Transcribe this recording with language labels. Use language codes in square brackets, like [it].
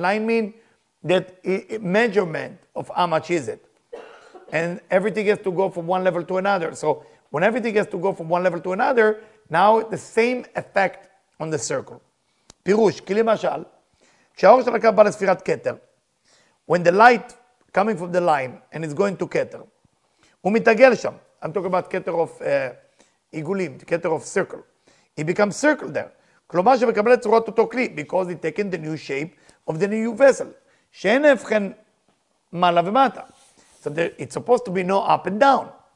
[en] Line mean that measurement of how much is it. And everything has to go from one level to another. So when everything has to go from one level to another, now the same effect on the circle. [he] Pirush, כי למשל, כשהאור של הקו בא לספירת כתר, [en] when the light coming from the line, and it's going to Keter. [he] Umitagel sham. [en] I'm talking about Keter of Igulim, the Keter of circle. It becomes circle there. [he] Kloma shemekabel tzurat oto kli, [en] because it's taken the new shape of the new vessel. [he] She'en efchen mala v'mata. [en] So there, it's supposed to be no up and down.